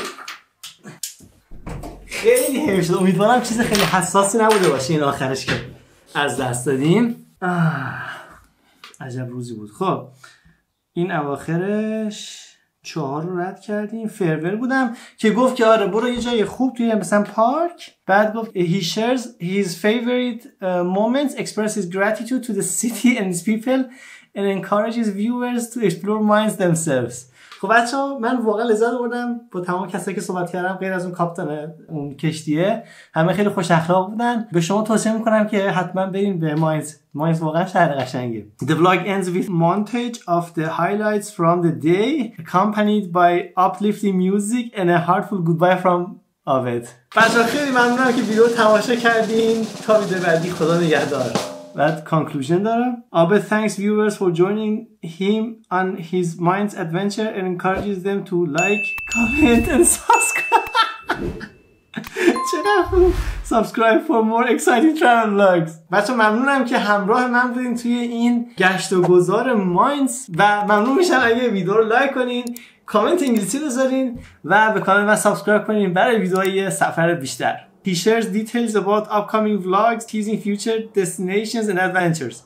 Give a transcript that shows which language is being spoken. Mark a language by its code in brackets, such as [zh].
[fa] بسته رسیده برای بسته بنده اینجا فعلا. خب ببینیم ادامه برنامه‌مون چی بود. خیلی همیشه امیدوارم چیز خیلی حساسی نبوده باشه این آخرش که از دست دادیم. عجب روزی بود. خب این اواخرش 4 رو رد کردیم. فیرول بودم که گفت که آره برو یه جای خوب توی مثلا پارک. بعد گفت [en] he shares his favorite moments, expresses gratitude to the city and its people and encourages viewers to explore minds themselves. [fa] خب بچه ها من واقعا لذت بردم با تمام کسایی که صحبت کردم غیر از اون کاپتان اون کشتیه، همه خیلی خوش اخلاق بودن. به شما توصیه میکنم که حتما برین به ماینز، ماینز واقعا شهر قشنگه. [en] The vlog ends with montage of the highlights from the day accompanied by uplifting music and a heartfelt goodbye from Ovid. [fa] بچه ها خیلی ممنونم که ویدیو تماشا کردین، تا ویدیو بعدی خدا نگهدار. [en] That conclusion [fa] دارم. [en] Abed thanks viewers for joining him on his mind's adventure and encourages them to like, comment and subscribe. Subscribe for more exciting travel vlogs. [fa] بچه ممنونم که همراه من بودین توی این گشت و گذار مایندز و ممنون میشم اگه ویدیو رو لایک کنین، کامنت انگلیسی بذارین و به کانال من سابسکرایب کنین برای ویدیوهای سفر بیشتر. [en] He shares details about upcoming vlogs, teasing future destinations and adventures.